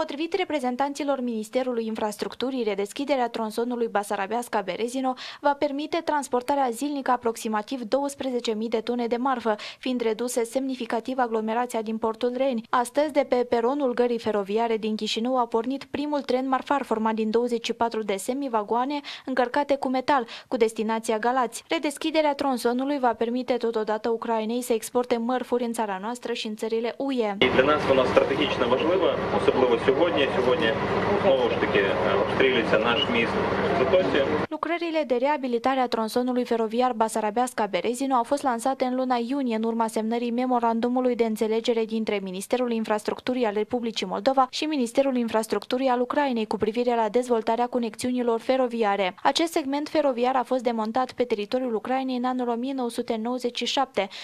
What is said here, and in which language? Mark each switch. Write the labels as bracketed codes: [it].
[ro] Potrivit reprezentanților Ministerului Infrastructurii, redeschiderea tronsonului Basarabeasca-Berezino va permite transportarea zilnică aproximativ 12.000 de tone de marfă, fiind reduse semnificativ aglomerația din portul Reni. Astăzi, de pe peronul gării feroviare din Chișinău, a pornit primul tren marfar format din 24 de semivagoane încărcate cu metal, cu destinația Galați. Redeschiderea tronsonului va permite totodată Ucrainei să exporte mărfuri în țara noastră și în țările UE. [uk] Для нас вона стратегічно важлива, особливо Сьогодні знову ж таки обстрілюється наш міст Цитосі. [ro] Lucrările de reabilitare a tronsonului feroviar Basarabeasca-Berezino au fost lansate în luna iunie în urma semnării memorandumului de înțelegere dintre Ministerul Infrastructurii al Republicii Moldova și Ministerul Infrastructurii al Ucrainei cu privire la dezvoltarea conexiunilor feroviare. Acest segment feroviar a fost demontat pe teritoriul Ucrainei în anul 1997.